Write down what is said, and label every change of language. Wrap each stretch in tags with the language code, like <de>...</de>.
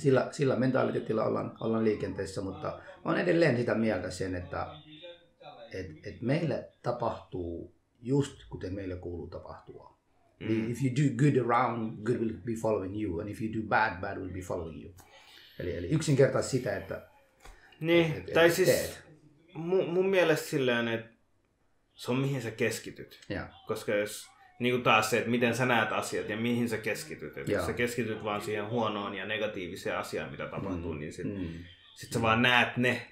<fi>Sillä mentaliteetillä ollaan liikenteessä, mutta olen edelleen sitä mieltä sen, että et meille tapahtuu just kuten meille kuuluu tapahtua.</fi> <en>If you do good around, good will be following you. And if you do bad, bad will be following you.</en> <fi>Eli yksinkertaisesti sitä, että niin, tai siis teet. Mun mielestä silleen, että se on mihin sä keskityt.</fi> <en>Yeah.</en> <fi>Koska jos niin kuin taas se, että miten sä näet asiat ja mihin sä keskityt. Että jos sä keskityt vaan siihen huonoon ja negatiiviseen asiaan, mitä tapahtuu, niin sit sä vaan näet ne.</fi>